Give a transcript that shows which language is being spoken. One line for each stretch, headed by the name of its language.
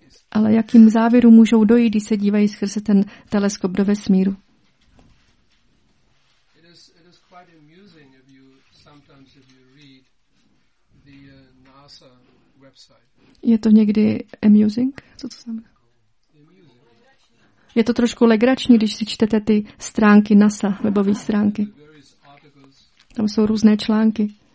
Czech: Ale jakým závěrům můžou dojít, když se dívají skrze ten teleskop do vesmíru?
English: It is quite amusing if you read the NASA website.
Czech: Je to někdy amusing? Co to znamená? Je to trošku legrační, když si čtete ty stránky NASA, webové stránky. Tam jsou různé články.